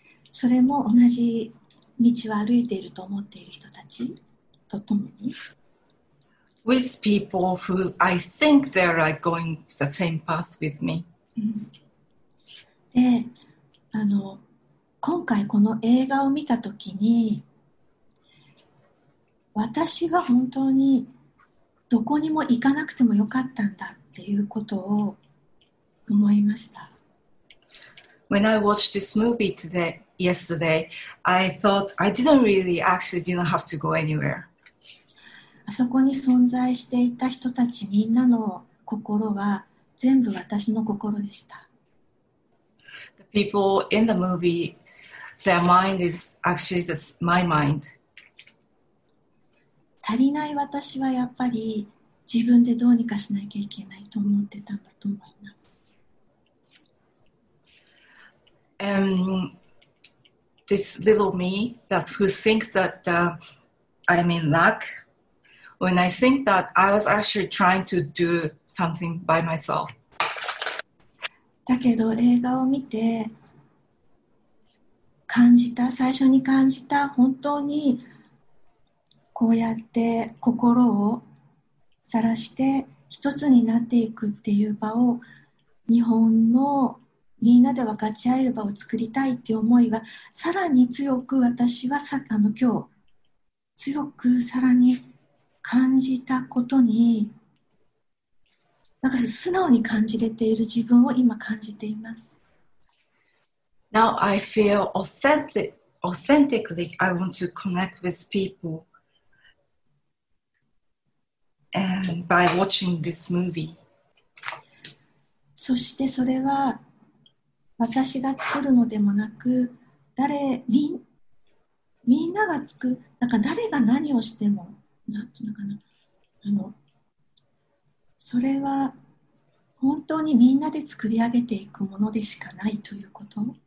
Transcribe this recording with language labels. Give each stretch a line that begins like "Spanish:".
Japanese: それも同じ道を歩いていると思っている人たちとともに、
English: with people who I think they're like going the same path with me.
Japanese: で、今回この映画を見たときに、私は本当にどこにも行かなくてもよかったんだっていうことを思いました。
English: When I watched this movie today, yesterday, I thought I didn't really actually didn't have to go anywhere.
Japanese: あそこに存在していた人たちみんなの心は全部私の心でした。
English: The people in the movieTheir mind is actually this, my mind.
Japanese: 足りない私はやっぱり自分でどうにかしなきゃいけないと思ってたんだと思います。
English: This little me that who thinks that I'm in lack, when I think that I was actually trying to do something by myself.
Japanese: だけど映画を見て感じた、最初に感じた、本当にこうやって心をさらして一つになっていくっていう場を、日本のみんなで分かち合える場を作りたいっていう思いはさらに強く、私はさ今日強くさらに感じたことに、なんか素直に感じれている自分を今感じています。
English: Now I feel authentically I want to connect with people and by watching this movie.
Japanese: そしてそれは私が作るのでもなく、誰、みんなが作る、なんか誰が何をしても、なんていうのかな、それは本当にみんなで作り上げていくものでしかないということ。